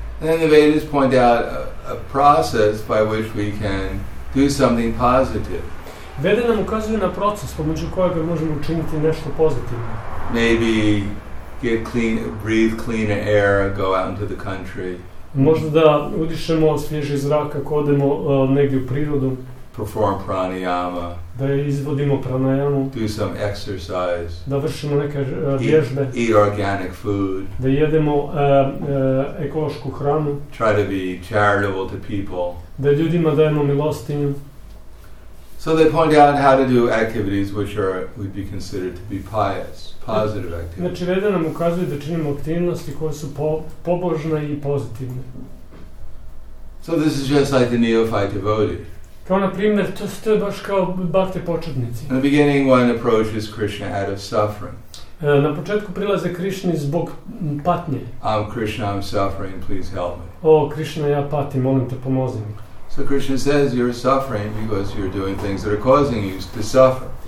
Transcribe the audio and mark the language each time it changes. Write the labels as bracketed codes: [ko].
[en] And the Vedas point out a process by which we can do something positive. [hr] Vede nam ukazuje na proces pomoću kojega možemo učiniti nešto pozitivno. [en] Maybe get clean, breathe cleaner air, go out into the country. [hr] Možda da udišemo svježi zrak ako odemo negdje u prirodu. [en] Perform pranayama. [hr] Da izvodimo pranayamu. [en] Do some exercise. [hr] Da vršimo neke vježbe. [en] Eat organic food. [hr] Da jedemo ekološku hranu. [en] Try to be charitable to people. [hr] Da ljudima dajemo milostinju. [en] So they point out how to do activities which are would be considered to be pious, positive activities. [hr] Znači, Veda nam ukazuje da činimo aktivnosti koje su pobožne I pozitivne. [en] So this is just like the neophyte devotee. [hr] Kao na primjer, to je baš kao bhakti početnici. [en] In the beginning, one approaches Krishna out of suffering. [hr] Na početku prilaze Krishna zbog patnje. [en] I'm Krishna, I'm suffering, please help me. [hr] O, Krishna, ja patim, molim te, pomozi mi. [en] So Krishna says you're suffering because you're doing things that are causing you to suffer.